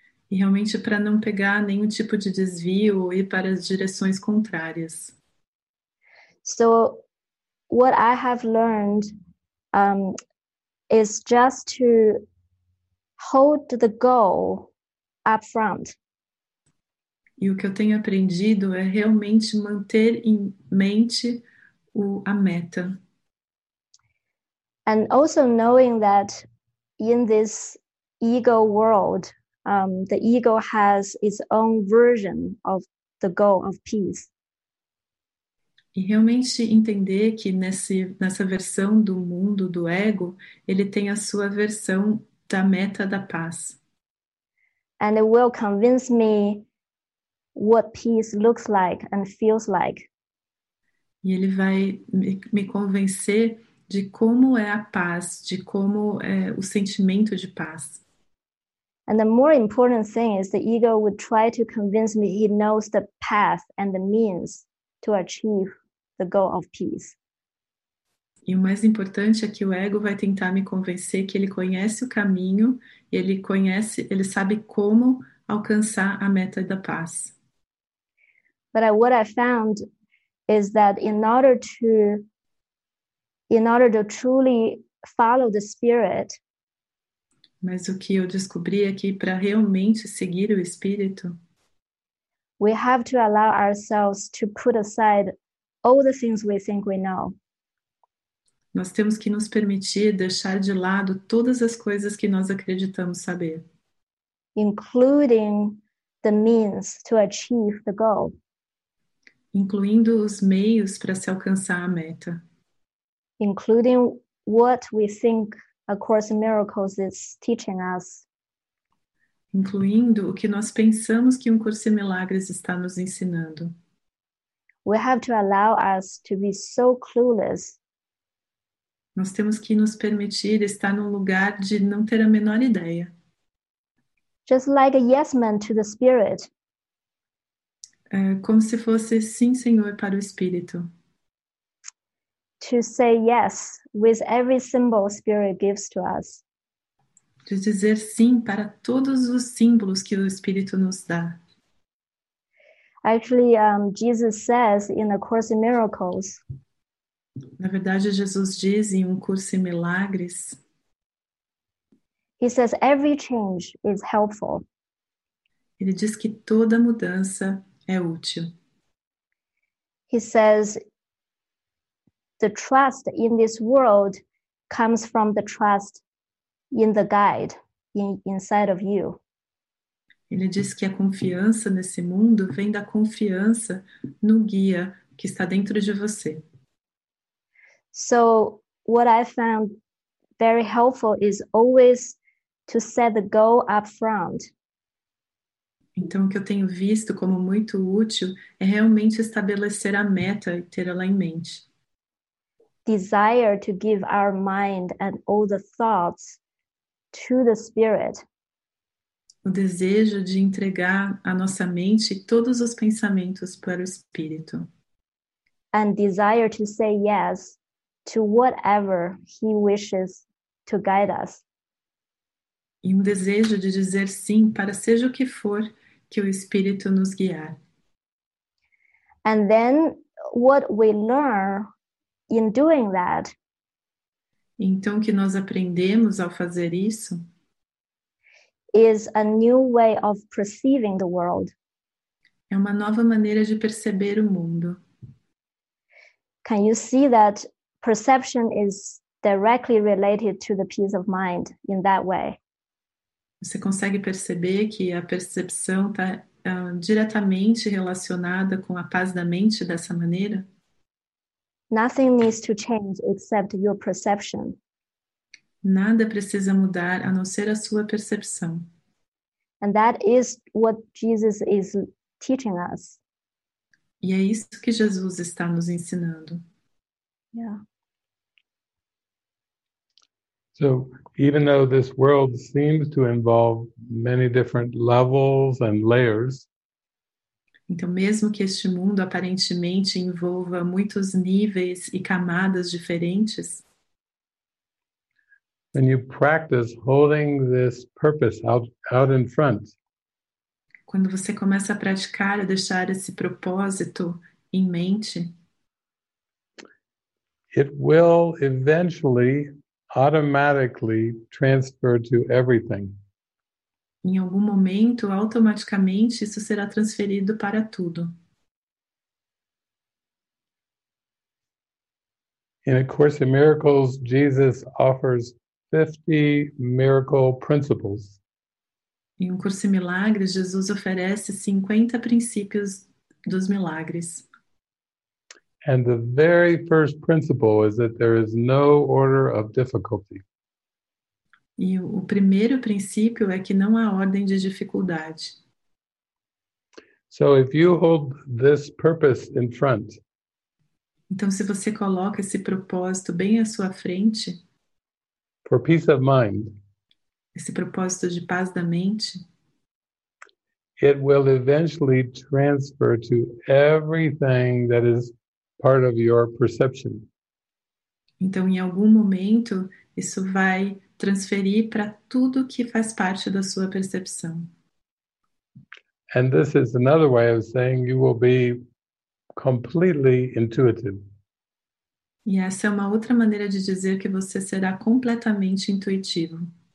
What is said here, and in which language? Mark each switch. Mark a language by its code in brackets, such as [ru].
[pt] E realmente para não pegar nenhum tipo de desvio e ir para as direções contrárias. [en] So, what I have learned is just to hold the goal up front. [pt] E o que eu tenho aprendido é realmente manter em mente a meta. [en] And also knowing that in this ego world, the ego has its own version of the goal of peace. [pt] E realmente entender que nessa versão do mundo do ego, ele tem a sua versão da meta da paz. [en] And it will convince me what peace looks like and feels like. [pt] E ele vai me convencer de como é a paz, de como é o sentimento de paz. [en] And the more important thing is the ego would try to convince me he knows the path and the means to achieve the goal of peace. [pt] E o mais importante é que o ego vai tentar me convencer que ele conhece o caminho, ele sabe como alcançar a meta da paz. [en] But what I found is that in order to truly follow the Spirit. [pt] Mas o que eu descobri é que para realmente seguir o Espírito, [en] we have to allow ourselves to put aside all the things we think we know. [pt] Nós temos que nos permitir deixar de lado todas as coisas que nós acreditamos saber. [en] Including the means to achieve the goal. [pt] Incluindo os meios para se alcançar a meta. [en] Including what we think A Course in Miracles is teaching us. [pt] Incluindo o que nós pensamos que Curso em Milagres está nos ensinando. [en] We have to allow us to be so clueless. [pt] Nós temos que nos permitir estar num lugar de não ter a menor ideia. [en] Just like a yes man to the Spirit. [pt] É como se fosse sim, Senhor, para o Espírito. [en] To say yes with every symbol Spirit gives to us. [pt] De dizer sim para todos os símbolos que o Espírito nos dá. [en] Actually, Jesus says in A Course in Miracles. [pt] Na verdade, Jesus diz em Curso em Milagres. [en] He says every change is helpful. [pt] Ele diz que toda mudança é útil. [en] He says the trust in this world comes from the trust in the guide inside of you. [pt] Ele diz que a confiança nesse mundo vem da confiança no guia que está dentro de você. [en] So what I found very helpful is always to set the goal up front. [pt] Então o que eu tenho visto como muito útil é realmente estabelecer a meta e ter ela em mente. [en] Desire to give our mind and all the thoughts to the Spirit. [pt] O desejo de entregar a nossa mente todos os pensamentos para o Espírito. [en] And desire to say yes to whatever He wishes to guide us. [pt] E um desejo de dizer sim para seja o que for que o Espírito nos guiar. [en] And then what we learn in doing that. [pt] Então, o que nós aprendemos ao fazer isso? [en] is a new way of perceiving the world. [pt] É uma nova maneira de perceber o mundo. [en] Can you see that perception is directly related to the peace of mind in that way? [pt] Você consegue perceber que a percepção está diretamente relacionada com a paz da mente dessa maneira? [en] Nothing needs to change except your perception. [pt] Nada precisa mudar a não ser a sua percepção. [en] And that is what Jesus is teaching us. [pt] E é isso que Jesus está nos ensinando. Yeah. [en] So, even though this world seems to involve many different levels and layers, [pt] então, mesmo que este mundo aparentemente envolva muitos níveis e camadas diferentes, [en] when you practice holding this purpose out in front, [pt] quando você começa a praticar e deixar esse propósito em mente, [en] it will eventually automatically transfer to everything. [pt] Em algum momento, automaticamente, isso será transferido para tudo. [en] In A Course in Miracles, Jesus offers 50 miracle principles. [pt] Em Curso em Milagres, Jesus oferece 50 princípios dos milagres. [en] And the very first principle is that there is no order of difficulty. [pt] E o primeiro princípio é que não há ordem de dificuldade. [en] So if you hold this purpose in front, [pt] então se você coloca esse propósito bem à sua frente, [en] for peace of mind, [pt] esse propósito de paz da mente, [en] it will eventually transfer to everything that is part of your perception. [pt] Então, em algum momento, isso vai transferir para tudo que faz parte da sua percepção. [en] And this is another way of saying you will be completely intuitive. [pt] E essa é uma outra maneira de dizer que você será completamente intuitivo.